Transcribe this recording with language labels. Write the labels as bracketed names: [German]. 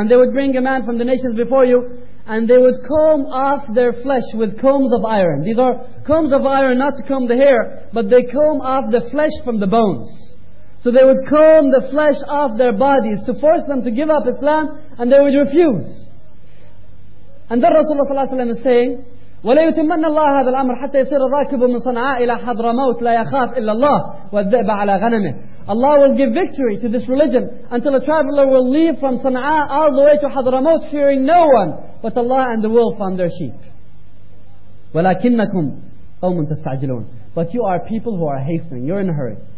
[English] And they would bring a man from the nations before you, and they would comb off their flesh with combs of iron. These are combs of iron, not to comb the hair, but they comb off the flesh from the bones. So they would comb the flesh off their bodies to force them to give up Islam, and they would refuse. And then Rasulullah ﷺ is saying, [Arabic] وَلَيُتِمَّنَّ اللَّهَ هَذَا الْأَمْرَ حَتَّى يَصِيرَ الرَّاكِبُ مِنْ صَنْعَاءَ إِلَى حَضْرَ مَوْتٍ لَا يَخَافْ إِلَّا اللَّهَ وَالذِّئْبَ عَلَى غَنَمِهِ. [English] Allah will give victory to this religion until a traveler will leave from Sana'a all the way to Hadramaut fearing no one but Allah and the wolf on their sheep. [Arabic] وَلَكِنَّكُمْ قَوْمٌ تَسْتَعْجِلُونَ. [English] But you are people who are hastening. You're in a hurry.